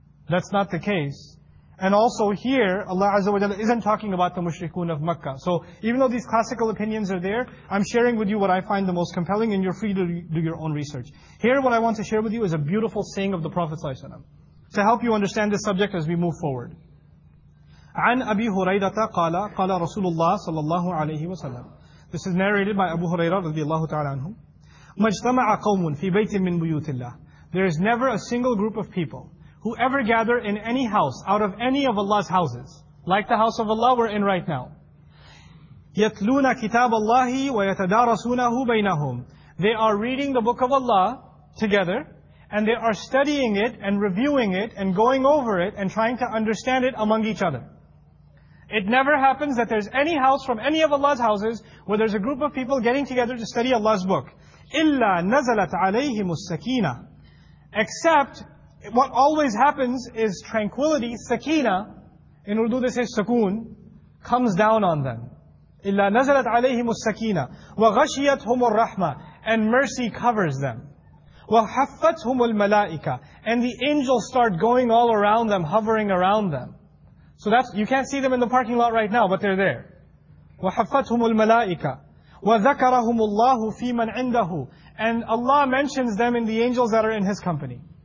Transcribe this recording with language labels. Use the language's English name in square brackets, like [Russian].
[English] That's not the case. And also here, Allah Azza wa Jalla isn't talking about the mushrikun of Makkah. So even though these classical opinions are there, I'm sharing with you what I find the most compelling, and you're free to do your own research. Here, what I want to share with you is a beautiful saying of the Prophet Sallallahu Alaihi Wasallam, to help you understand this subject as we move forward. [Arabic] عن أبي هريرة قال قال رسول الله صلى الله عليه وسلم. [English] This is narrated by Abu Hurairah [Arabic] رضي الله تعالى عنه. مجتمع قوم في بيت من بيوت الله. [English] There is never a single group of people who ever gather in any house out of any of Allah's houses, like the house of Allah we're in right now. [Arabic] يتلون كتاب الله ويتدارسونه بينهم. [English] They are reading the book of Allah together, and they are studying it and reviewing it and going over it and trying to understand it among each other. It never happens that there's any house from any of Allah's houses where there's a group of people getting together to study Allah's book. [Arabic] إِلَّا نَزَلَتْ عَلَيْهِمُ السَّكِينَةِ [English] Except, what always happens is tranquility, sakina, in Urdu they say sukoon, comes down on them. [Arabic] إِلَّا نَزَلَتْ عَلَيْهِمُ السَّكِينَةِ وَغَشِيَتْهُمُ الرَّحْمَةِ [English] And mercy covers them. [Arabic] وَحَفَّتْهُمُ الْمَلَائِكَةِ [English] And the angels start going all around them, hovering around them. So that's, you can't see them in the parking lot right now, but they're there. [Arabic] وَحَفَّتْهُمُ الْمَلَائِكَةِ وَذَكَرَهُمُ اللَّهُ فِي مَنْ عِنْدَهُ [English] And Allah mentions them in the angels that are in His company.